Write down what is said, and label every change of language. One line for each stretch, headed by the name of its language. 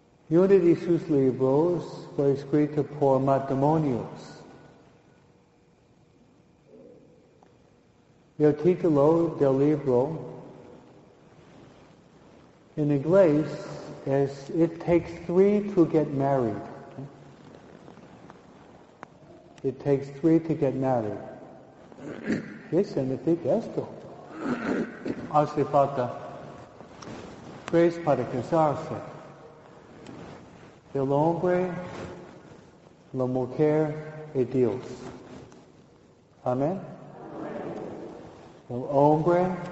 Spanish: Y uno de sus libros fue escrito por matrimonios. El título del libro en inglés es
English: It Takes Three to Get Married. It Takes Three to Get Married.
Spanish: ¿Qué significa esto? Hace falta tres para casarse. El hombre, la mujer y Dios. Amén. El hombre,